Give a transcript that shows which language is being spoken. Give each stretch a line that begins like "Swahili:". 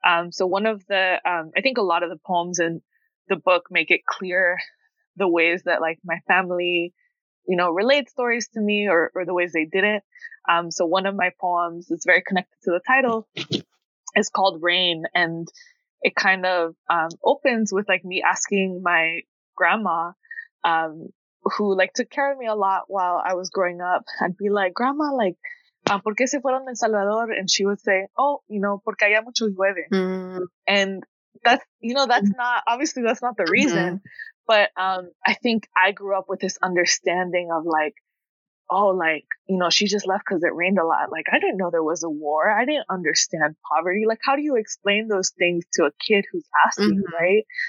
English: So one of the, I think a lot of the poems in the book make it clear the ways that like my family, you know, relate stories to me, or the ways they didn't. So one of my poems is very connected to the title. It's called Rain, and it kind of, opens with like me asking my grandma, who like took care of me a lot while I was growing up. I'd be like, grandma, like,
Spanish: ¿por qué se fueron de El Salvador?
English: And she would say, oh, you know,
Spanish: porque allá mucho llueve.
English: Mm. And that's, you know, that's not, obviously that's not the reason. Mm-hmm. But I think I grew up with this understanding of like, oh, like, you know, she just left because it rained a lot. Like, I didn't know there was a war. I didn't understand poverty. Like, how do you explain those things to a kid who's asking, mm-hmm. right?